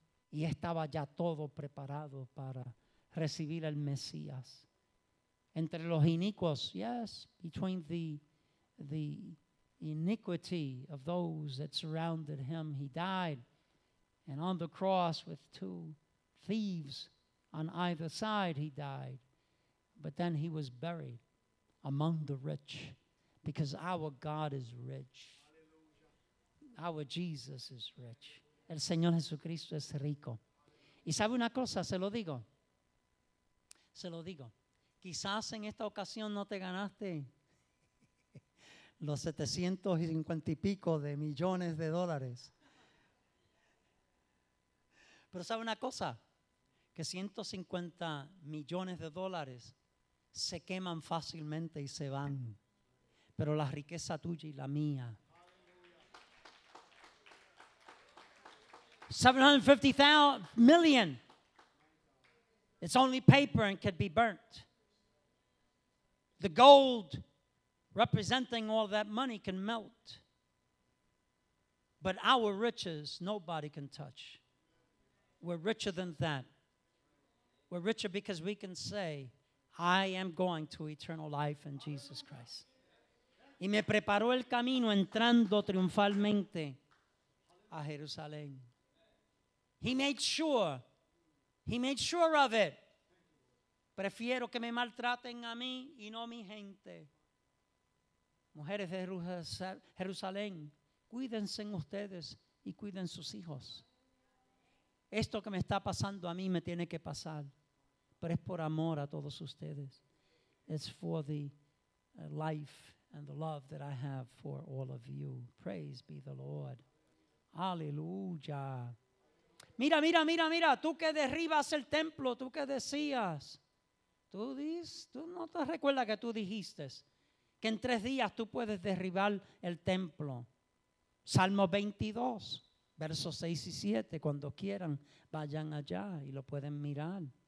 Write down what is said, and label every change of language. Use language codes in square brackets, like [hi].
[es] Y estaba ya todo preparado para recibir al Mesías. Entre los inicuos, [en] yes, between the iniquity of those that surrounded him, he died. And on the cross with two thieves on either side, he died. But then he was buried among the rich, because our God is rich. Our Jesus is rich. [es] El Señor Jesucristo es rico. Y sabe una cosa, se lo digo. Quizás en esta ocasión no te ganaste los 750 y pico de millones de dólares. Pero ¿sabe una cosa? Que 150 millones de dólares se queman fácilmente y se van. Pero la riqueza tuya y la mía. [en] 750 million. It's only paper and could be burnt. The gold representing all that money can melt. But our riches, nobody can touch. We're richer than that. We're richer because we can say, I am going to eternal life in Jesus Christ. [es] y me preparó el camino entrando triunfalmente a Jerusalén. [en] He made sure of it. [es] Prefiero que me maltraten a mí y no a mi gente. Mujeres de Jerusalén, cuídense ustedes y cuiden sus hijos. Esto que me está pasando a mí me tiene que pasar, pero es por amor a todos ustedes. [en] It's for the life and the love that I have for all of you. Praise be the Lord. Aleluya. [es] Mira, tú que derribas el templo, tú que decías, tú no te recuerdas que tú dijiste que en 3 días tú puedes derribar el templo. Salmo 22, versos 6 y 7, cuando quieran, vayan allá y lo pueden mirar.